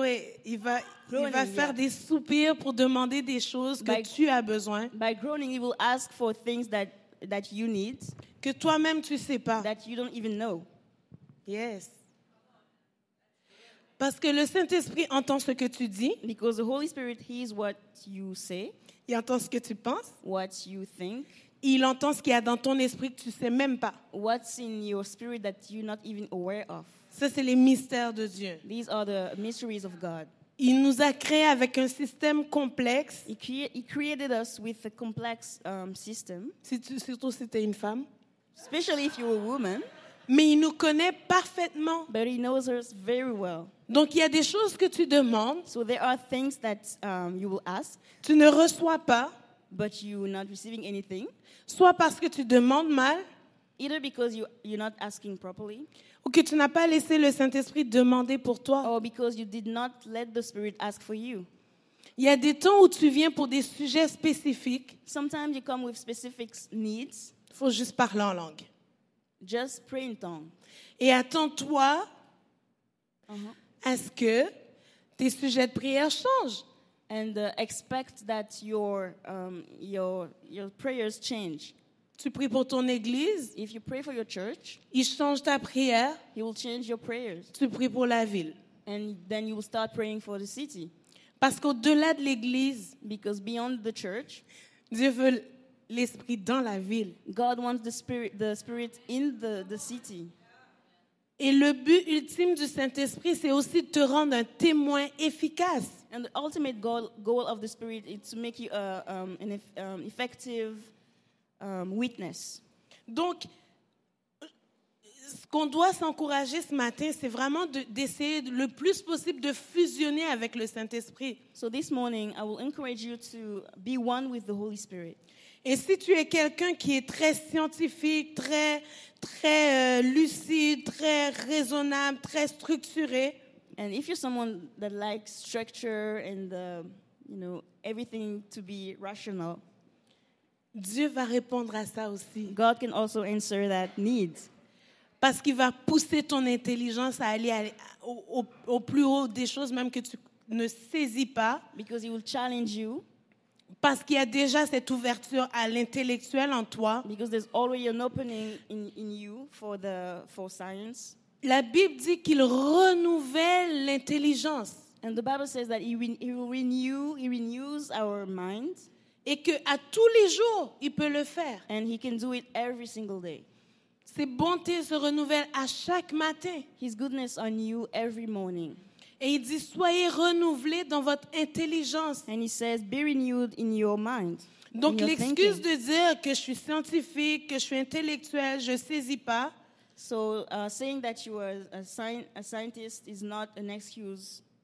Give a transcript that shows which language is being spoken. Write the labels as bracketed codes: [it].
[fr] Oui, il va faire des soupirs pour demander des choses que tu as besoin. [en] By groaning, he will ask for things that you need. [fr] Que toi-même, tu sais pas. [en] That you don't even know. Yes. [fr] Parce que le Saint-Esprit entend ce que tu dis. [en] Because the Holy Spirit hears what you say. [fr] Il entend ce que tu penses. [en] What you think. [fr] Il entend ce qu'il y a dans ton esprit que tu sais même pas. [en] What's in your spirit that you're not even aware of. [fr] Ça, c'est les mystères de Dieu. [en] These are the mysteries of God. [fr] Il nous a créés avec un système complexe. [en] He created us with a complex system. [fr] Surtout si tu es une femme. [en] Especially if you're a woman. [fr] Mais il nous connaît parfaitement. [en] But he knows us very well. [fr] Donc, il y a des choses que tu demandes. [en] So there are things that you will ask. [fr] Tu ne reçois pas. [en] But you're not receiving anything. [fr] Soit parce que tu demandes mal. [en] Either because you're not asking properly. [fr] Ou que tu n'as pas laissé le Saint-Esprit demander pour toi. [en] Or because you did not let the Spirit ask for you. [fr] Il y a des temps où tu viens pour des sujets spécifiques. [en] Sometimes you come with specific needs. [fr] Il faut juste parler en langue. [en] Just pray in tongues. [fr] Et attends-toi à ce que tes sujets de prière changent. [en] And expect that your prayers change. [fr] Tu pries pour ton église. [en] If you pray for your church, [fr] il change ta prière. [en] He will change your prayers. [fr] Tu pries pour la ville. [en] And then you will start praying for the city. [fr] Parce qu'au-delà de l'église, [en] because beyond the church, [fr] Dieu veut l'esprit dans la ville. [en] God wants the spirit in the city. [fr] Et le but ultime du Saint-Esprit, c'est aussi de te rendre un témoin efficace. [en] And the ultimate goal of the Spirit is to make you an effective witness. [fr] Donc, ce qu'on doit s'encourager ce matin, c'est vraiment d'essayer le plus possible de fusionner avec le Saint-Esprit. [en] So this morning, I will encourage you to be one with the Holy Spirit. [fr] Et si tu es quelqu'un qui est très scientifique, très très lucide, très raisonnable, très structuré, [en] and if you're someone that likes structure and you know everything to be rational. [fr] Dieu va répondre à ça aussi. [en] God can also answer that need. [fr] Parce qu'il va pousser ton intelligence à aller au plus haut des choses même que tu ne saisis pas. [en] Because he will challenge you. [fr] Parce qu'il y a déjà cette ouverture à l'intellectuel en toi. [en] Because there's already an opening in you for science. [fr] La Bible dit qu'il renouvelle l'intelligence. [en] And the Bible says that he renews our minds. [fr] Et que à tous les jours, il peut le faire. [en] And he can do it every single day. [fr] Ses bontés se renouvellent à chaque matin. [en] His goodness on you every morning. [fr] Et il dit, soyez renouvelés dans votre intelligence. [en] And he says, be renewed in your mind. [fr] Donc l'excuse de dire que je suis scientifique, que je suis intellectuel, je saisis pas. [en] So saying that you are a scientist is not an excuse.